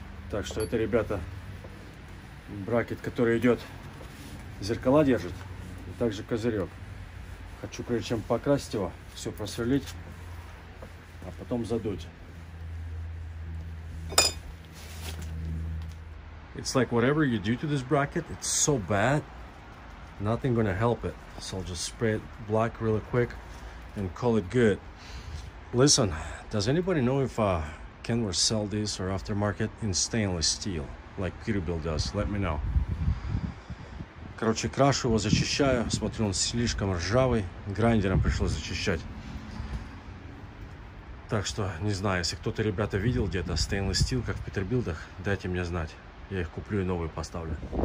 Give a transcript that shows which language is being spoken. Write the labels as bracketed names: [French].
[Russian] Так что это, ребята, бракет, который идет, зеркала держит, и также козырек. Хочу, прежде чем покрасить его, все просверлить, а потом задуть. [English] It's like whatever you do to this bracket, it's so bad, nothing gonna help it. So I'll just spray it black really quick and call it good. Listen, does anybody know if Kenworth sell this or aftermarket in stainless steel, like Peterbilt does? Let me know. [Russian] Короче, крашу его, зачищаю, смотрю, он слишком ржавый, грайндером пришлось зачищать. Так что, не знаю, если кто-то, ребята, видел где-то stainless steel, как в Петербилдах, дайте мне знать. Я их куплю и новые поставлю.